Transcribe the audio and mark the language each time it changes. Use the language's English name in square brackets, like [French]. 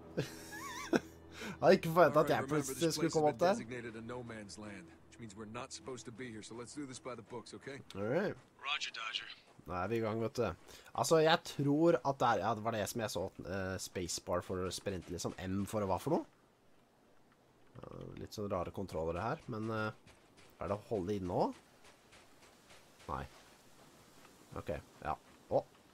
[Norwegian] Jeg har ikke forventet at jeg plutselig skulle komme opp der. [English] Designated a no man's land, which means we're not supposed to be here, so let's do this by the books, okay? Alright. Roger, Dodger. [Norwegian] Nå er vi i gang, vet du. Altså, jeg tror at det er, ja, det var det som jeg så, spacebar for å sprinte liksom, M for å hva for noe. Litt sånn rare kontroller her, men er det å holde inn nå? Nei. Ok, ja. Åh. Oh.